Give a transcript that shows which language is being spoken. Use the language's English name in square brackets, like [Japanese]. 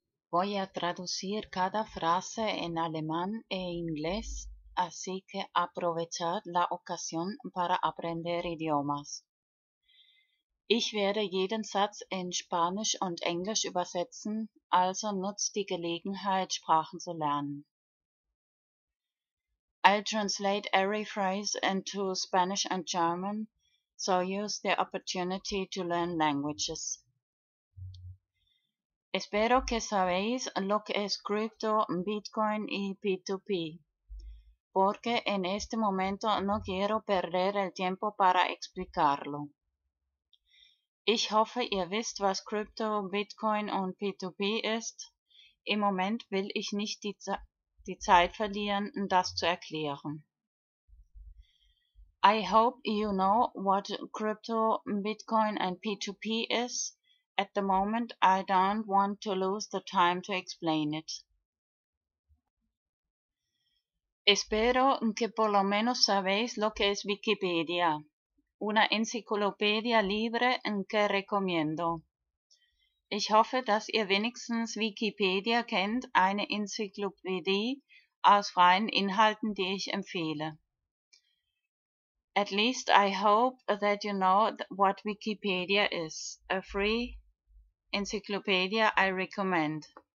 [Spanish] Voy a traducir cada frase en alemán e inglés, así que aprovechad la ocasión para aprender idiomas. [German] Ich werde jeden Satz in Spanisch und Englisch übersetzen, also nutzt die Gelegenheit, Sprachen zu lernen. [English] I'll translate every phrase into Spanish and German, so use the opportunity to learn languages. [Spanish] Espero que sabéis lo que es cripto, Bitcoin y P2P, porque en este momento no quiero perder el tiempo para explicarlo. [German] Ich hoffe, ihr wisst, was cripto, Bitcoin und P2P ist. Im Moment will ich nicht die Zeit verlieren, das zu erklären. [English] I hope you know what cripto, Bitcoin and P2P is. At the moment, I don't want to lose the time to explain it. [Spanish] Espero que por lo menos sabéis lo que es Wikipedia, una enciclopedia libre que recomiendo. [German] Ich hoffe, dass ihr wenigstens Wikipedia kennt, eine Enzyklopädie aus freien Inhalten, die ich empfehle. [English] At least I hope that you know what Wikipedia is, a free encyclopedia I recommend.